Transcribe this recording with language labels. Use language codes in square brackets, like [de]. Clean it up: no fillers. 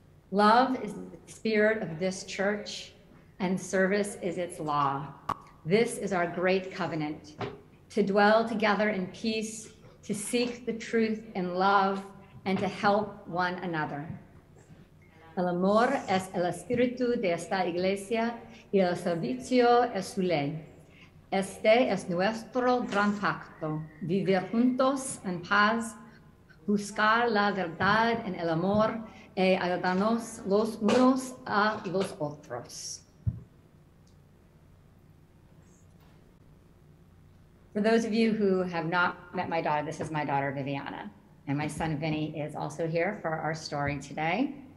[en] Love is the spirit of this church, and service is its law. This is our great covenant, to dwell together in peace, to seek the truth in love, and to help one another. [es] El amor es el espíritu de esta iglesia y el servicio es su ley. Este es nuestro gran pacto, vivir juntos en paz, buscar la verdad en el amor e ayudarnos los unos a los otros. [en] For those of you who have not met my daughter, this is my daughter, Viviana. And my son, Vinny, is also here for our story today.